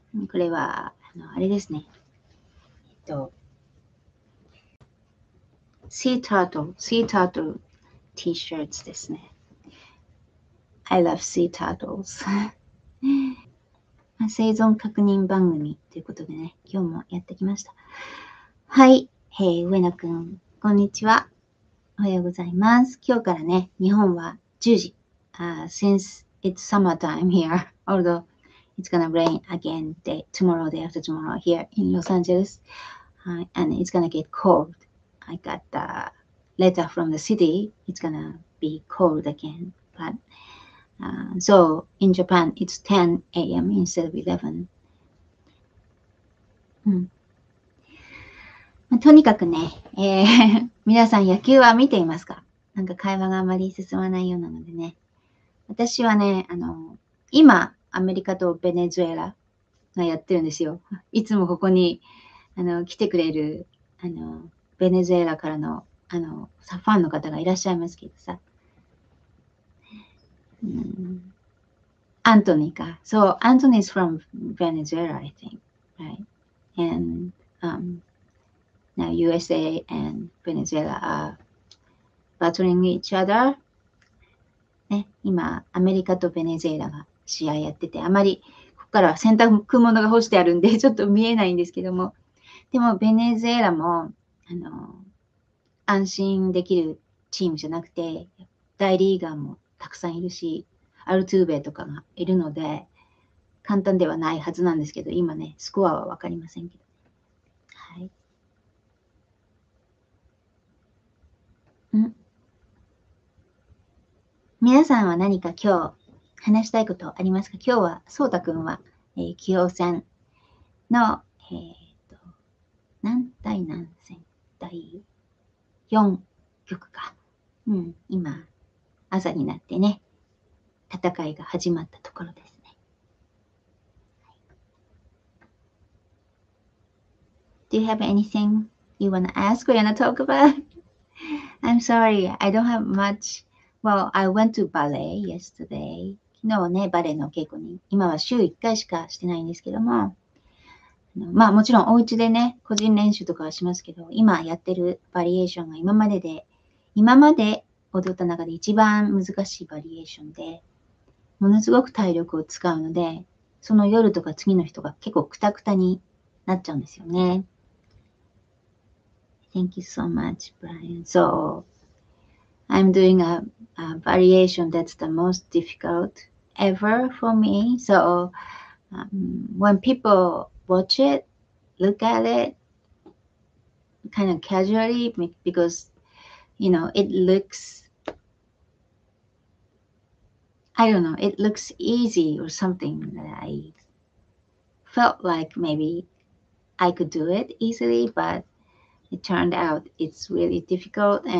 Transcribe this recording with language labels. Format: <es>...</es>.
<ja>これはあれですね、</ja> <en>Sea Turtle T-shirts</en> <ja>ですね。</ja> <en>I love sea turtles.</en> <ja>生存確認番組ということでね、今日もやってきました。はい、上野くん、こんにちは。おはようございます。今日からね、日本は10時。</ja> <en>Since it's summertime here, although it's gonna rain again day, tomorrow, day after tomorrow here in Los Angeles,、and it's gonna get cold. I got the letter from the city. It's gonna be cold again, but... So, in Japan, it's 10 a.m. instead of 11.、</en> <ja>まあ、とにかくね、皆さん野球は見ていますか？なんか会話があまり進まないようなのでね。私はね、今、アメリカとベネズエラがやってるんですよ。いつもここに来てくれるベネズエラからのファンの方がいらっしゃいますけどさ。アントニーか。</ja> <en>So, Anthony is from Venezuela, I think, right? And, now USA and Venezuela are battling each other.</en> <ja>ね、今、アメリカとベネズエラが試合やってて、あまりここからは洗濯物が干してあるんで、ちょっと見えないんですけども。でも、ベネズエラも、安心できるチームじゃなくて、大リーガーもたくさんいるし、アルトゥーベとかがいるので、簡単ではないはずなんですけど、今ね、スコアはわかりませんけど。皆さんは何か今日話したいことありますか？今日は、そうたくんは、棋王戦の、何対何戦？第4局か。今、朝になってね。戦いが始まったところですね。</ja> <en>Do you have anything you want to ask or you want to talk about? I'm sorry, I don't have much. Well, I went to ballet yesterday.</en> <ja>昨日ね、バレエの稽古に、今は週1回しかしてないんですけども、まあもちろんお家でね、個人練習とかはしますけど、今やってるバリエーションが今まで踊った中で一番難しいバリエーションで、ものすごく体力を使うので、その夜とか次の日とか結構クタクタになっちゃうんですよね。</ja> <en>Thank you so much, Brian. So, I'm doing a variation that's the most difficult ever for me. So, when people watch it, look at it, kind of casually, because, it looks I don't know, it looks easy or something that I felt like maybe I could do it easily, but it turned out it's really difficult.</en>